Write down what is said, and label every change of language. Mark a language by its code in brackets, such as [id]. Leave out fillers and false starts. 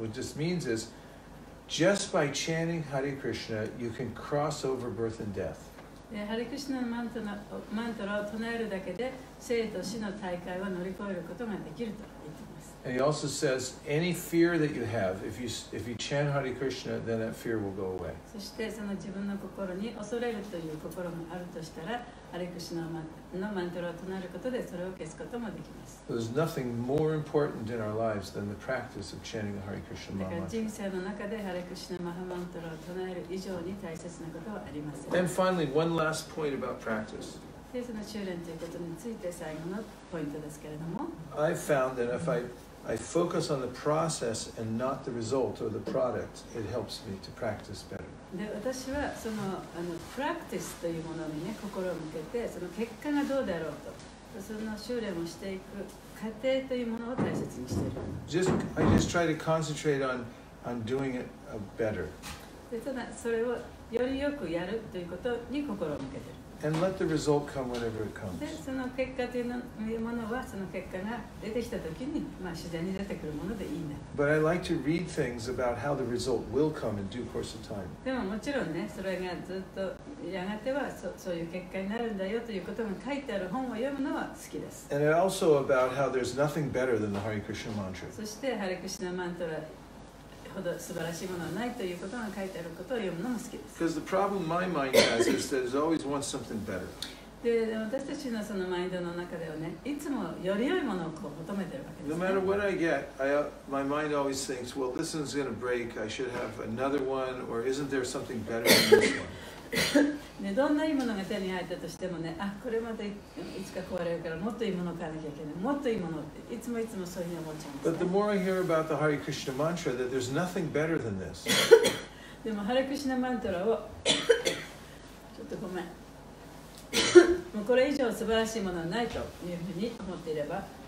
[en] What this means is, just by chanting Hare Krishna, you can cross over birth and death. [ja] Hare Krishna mantra を唱えるだけで生と死の大会を乗り越えることができると言っています。 [en] And he also says, any fear that you have, if you chant Hare Krishna, then that fear will go away. [ja] そしてその自分の心に恐れるという心があるとしたら、Hare Krishna のマントラを唱えることでそれを消すこともできます。 [en] There's nothing more important in our lives than the practice of chanting the Hare Krishna mantra. [ja] だから人生の中でハレクシナマハマントラを唱える以上に大切なことはありません。 [en] Then finally, one last point about practice. [ja] で、その修練ということについて最後のポイントですけれども。 [en] I found that if I focus on the process and not the result or the product, it helps me to practice better. [ja] で、私はその practice というものにね、心を向けて、その結果がどうだろうと。その修練をしていく過程というものを大切にしている。 [en] I just try to concentrate on doing it better. [ja] で、ただそれをよりよくやるということに心を向けている。 [en] And let the result come whenever it comes. [ja] で、その結果というものはその結果が出てきたときに、まあ自然に出てくるものでいいんだ。 [en] But I like to read things about how the result will come in due course of time. [ja] でももちろんね、それがずっとやがてはそういう結果になるんだよということが書いてある本を読むのは好きです。 [en] And also about how there's nothing better than the Hare Krishna mantra. [ja] そしてハレクシナマントラほど素晴らしいものはないということが書いてあることを読むのも好きです。 [en] Because the problem my mind has is that it always wants something better. [ja] で、私たちのそのマインドの中ではね、いつもより良いものをこう求めてるわけです、ね。 [en] No matter what I get, my mind always thinks, well, this one's going to break. I should have another one, or isn't there something better than this one? [ja] ね、どんな良いものが手に入ったとしてもね、あ、これまたいつか壊れるからもっと良いものを買わなきゃいけない、もっと良いものって、いつもいつもそういうふうに思っちゃうんですね。 [en] But the more I hear about the Hare Krishna mantra, that there's nothing better than this. [ja] でも、ハレクシナマントラを、ちょっとごめん。もうこれ以上素晴らしいものはないというふうに思っていれば。